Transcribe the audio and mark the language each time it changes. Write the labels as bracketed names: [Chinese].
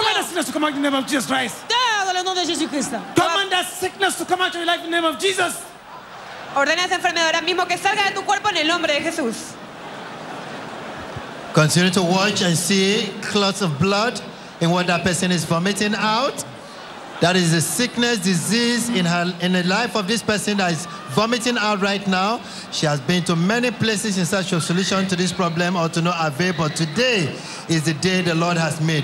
[English] Command that sickness to come out in the name of Jesus Christ! [French] Deux. Dans le nom de Jésus Christ! [English] Command that sickness to come out of your life in the name of Jesus! [Spanish] Ordena esa enfermedad ahora mismo que salga de tu cuerpo en el nombre de Jesús! [English] Continue to watch and see clots of blood in what that person is vomiting out. That is a sickness, disease in the life of this person that is vomiting out right now. She has been to many places in search of solution to this problem or to no avail, but today is the day the Lord has made.